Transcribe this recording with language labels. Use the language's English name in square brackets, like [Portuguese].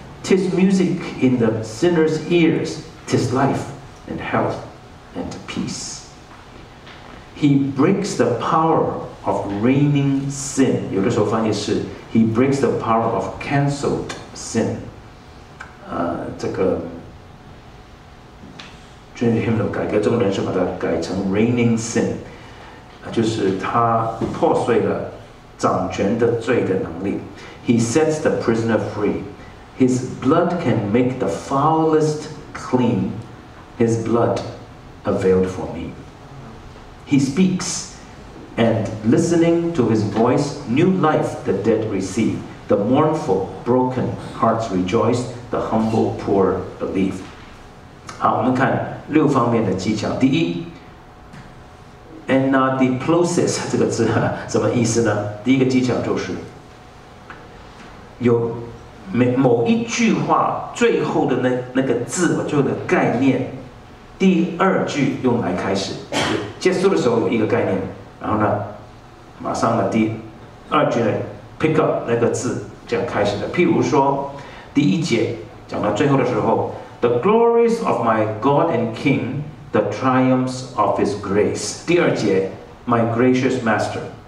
[English] 'Tis music in the sinner's ears, 'tis life and health and peace. He breaks the power of reigning sin， [Chinese] 有的时候翻译是 [English] He breaks the power of cancelled sin。 [Chinese] 这个 Trinity Hymn 改革中人是把它改成 [English] reigning sin， [Chinese] 就是他破碎了掌权的罪的能力。 [English] He sets the prisoner free. His blood can make the foulest clean. His blood availed for me. He speaks. And listening to his voice, new life the dead receive. The mournful, broken hearts rejoice. The humble, poor believe. [Chinese] 好，我们看6方面的技巧。第一 ，anadiplosis 这个字什么意思呢？第一个技巧就是有某一句话最后的那个字，最后的概念，第二句用来开始，结束的时候有一个概念。然后呢，马上呢，第二句呢 ， [English] pick up [Chinese] 那个字，这样开始的。譬如说，第一节讲到最后的时候 [English] ，the glories of my God and King, the triumphs of His grace。 [Chinese] 第二节 ， [English] my gracious Master。